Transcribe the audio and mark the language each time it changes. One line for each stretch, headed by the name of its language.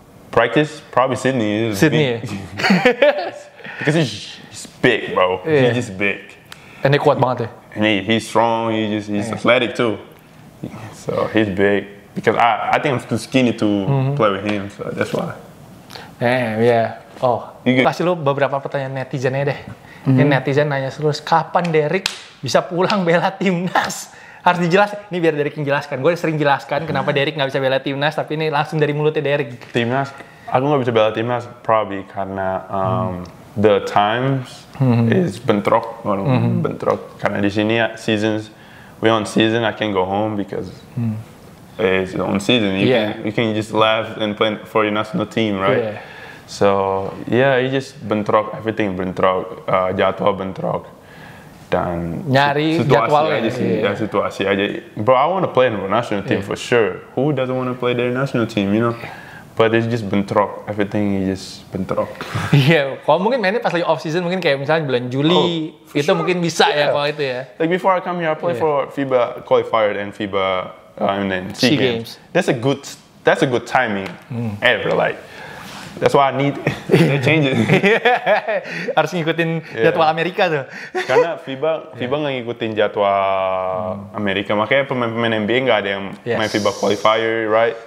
English: Practice probably Sydney. Sydney. Because he's big, bro. Yeah. He's just big.
Indonesian: And dia kuat banget.
English: And he's strong. He's athletic too. So he's big. Because I think I'm too skinny to play with him. So that's why.
Indonesian: Kasih lu beberapa pertanyaan netizennya deh. Ini netizen nanya terus, kapan Derrick bisa pulang bela timnas? Harus dijelas. Ini biar Derrick yang jelaskan. Gue sering jelaskan kenapa Derrick nggak bisa bela timnas, tapi ini langsung dari mulutnya Derrick. Timnas? Aku nggak bisa bela timnas, probably karena
English: the times is
Indonesian: bentrok. Bentrok karena di sini seasons
English: we're on season, I can go home because it's on season. You can just left and play for your national team, right? Yeah. So yeah, you just bentrok, everything bentrok,
Indonesian: jadwal bentrok, dan nyari jadwal aja sih, ya situasi aja.
English: Bro, I want to play in the national team for sure. Who doesn't want to play their national team, you know? But it's just bentrok, everything is just bentrok.
Indonesian: Yeah, kalau mungkin mainnya pas lagi off season mungkin kayak misalnya bulan Juli itu mungkin bisa ya kalau itu ya.
English: Like before I come here, I play for FIBA qualifier and FIBA and then SEA Games. That's a good timing ever, like. That's why I need to change it.
Indonesian: Harus ngikutin jadwal Amerika tuh. Karena FIBA nggak ngikutin jadwal Amerika, makanya pemain-pemain NBA nggak ada yang main FIBA qualifier, right?